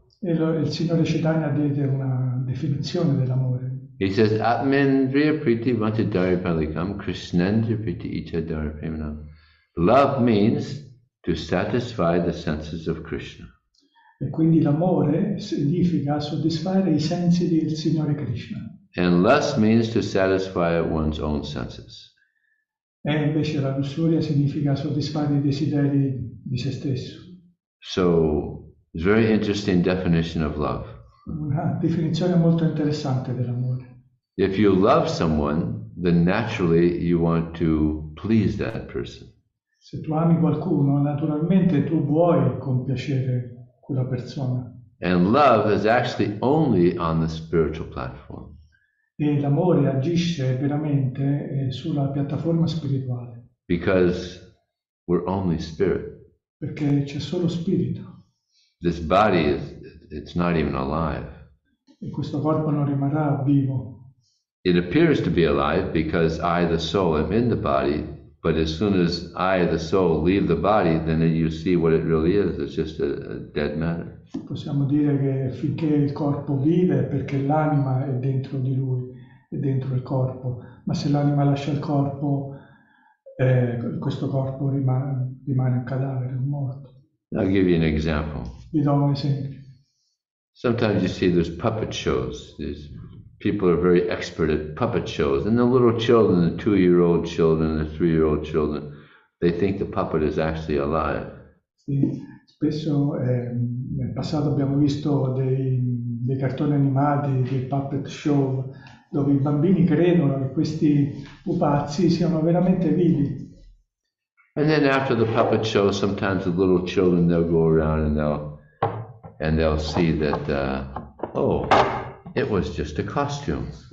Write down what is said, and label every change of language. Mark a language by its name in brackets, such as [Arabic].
[Italian] E il Signore Chaitanya dà una definizione dell'amore. [English] He says, [Sanskrit] Atmendriya Priti Vantadari Palikam Krishnendriya Priti Ichadari Premanam. [English] Love means to satisfy the senses of Krishna. [Italian] E quindi l'amore significa soddisfare i sensi del Signore Krishna. [English] And lust means to satisfy one's own senses. [Italian] E invece la lussuria significa soddisfare i desideri di se stesso. [English] So, it's a very interesting definition of love. [Italian] Una definizione molto interessante dell'amore. [English] If you love someone, then naturally you want to please that person. [Italian] Se tu ami qualcuno, naturalmente tu vuoi compiacere quella persona. [English] And love is actually only on the spiritual platform. [Italian] E l'amore agisce veramente sulla piattaforma spirituale. [English] Because we're only spirit. [Italian] Perché c'è solo spirito. [English] This body is, it's not even alive. [Italian] E questo corpo non rimarrà vivo. [English] It appears to be alive because I, the soul, am in the body. But as soon as I, the soul, leave the body, then you see what it really is. It's just a dead matter. [Italian] Possiamo dire che finché il corpo vive, perché l'anima è dentro di lui, è dentro il corpo. Ma se l'anima lascia il corpo, questo corpo rimane un cadavere, un morto. [English] I'll give you an example. [Italian] Vi do un esempio. [English] Sometimes you see there's puppet shows. There's people are very expert at puppet shows, and the little children, the two-year-old children, the three-year-old children, they think the puppet is actually alive. [Italian] Sì, spesso nel passato abbiamo visto dei cartoni animati, dei puppet show, dove i bambini credono che questi pupazzi siano veramente vivi. [English] And then after the puppet show, sometimes the little children they'll go around and they'll see that it was just a costume.